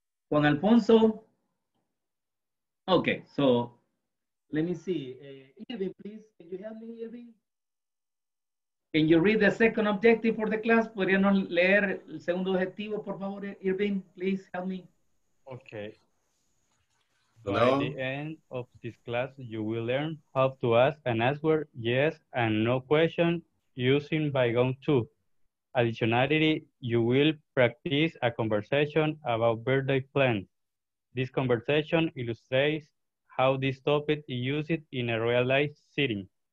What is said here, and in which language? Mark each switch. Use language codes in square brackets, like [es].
[en] Juan Alfonso? Okay, so let me see. Irvin, please, can you help me, Irvin? Can you read the second objective for the class? [es] ¿Podrían leer el segundo objetivo, por favor, Irvin? [en] Please help me. Okay. Hello. By the end of this class, you will learn how to ask and answer yes and no question using bygone to. Additionally, you will practice a conversation about birthday plans. This conversation illustrates how this topic is used in a real life setting.